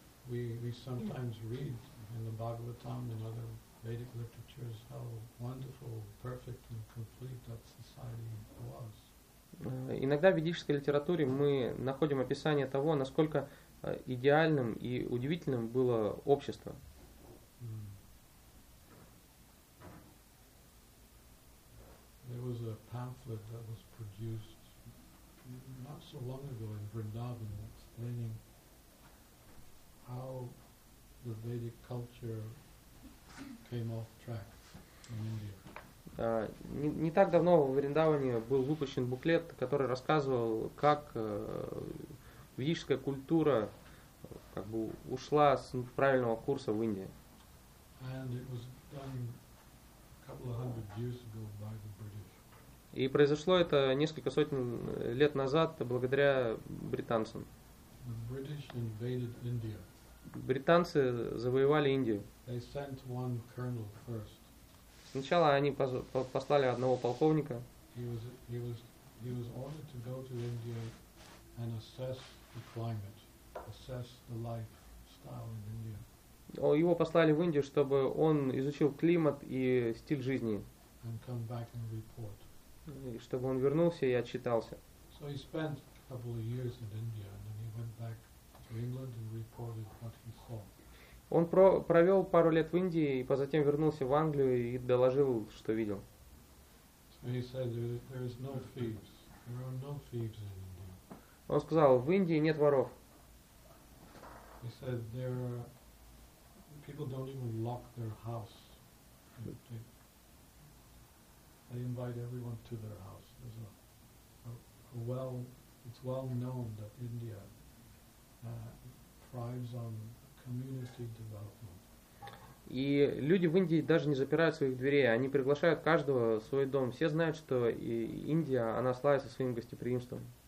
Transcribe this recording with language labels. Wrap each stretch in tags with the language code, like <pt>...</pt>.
<en>In the Bhagavatam and other Vedic literatures, how wonderful, perfect, and complete that society was.</en> <ru>Иногда в ведической литературе мы находим описание того, насколько идеальным и удивительным было общество.</ru> <en>There was a pamphlet that was produced not so long ago in Vrindavan explaining how the Vedic culture came off track in India.</en> <ru>Не так давно в Вриндаване был выпущен буклет, который рассказывал, как ведическая культура как бы ушла с правильного курса в Индии.</ru> <en>And it was done a couple of hundred years ago by the British.</en> <ru>И произошло это несколько сотен лет назад благодаря британцам.</ru> <en>The British invaded India.</en> <ru>Британцы завоевали Индию.</ru> <en>They sent one colonel first.</en> <ru>Сначала они послали одного полковника.</ru> <en>He was ordered to go to India and assess the climate, assess the lifestyle in India.</en> <ru>Его послали в Индию, чтобы он изучил климат и стиль жизни.</ru> <en>And come back and report.</en> <ru>И чтобы он вернулся и отчитался.</ru> <en>So he spent a couple of years in India and then he went back. England and reported what he saw.</en> <ru>Он провел пару лет в Индии и затем вернулся в Англию и доложил, что видел.</ru> <en>So he said there is no thieves. There are no thieves in India.</en> <ru>Он сказал, в Индии нет воров.</ru> <en>He said there are people don't even lock their house. They invite everyone to their house. There's it's well known that India thrives on community development.</en> <ru>И люди в Индии даже не запирают своих дверей, они приглашают каждого в свой дом. Все знают, что Индия, она славится своим гостеприимством.</ru>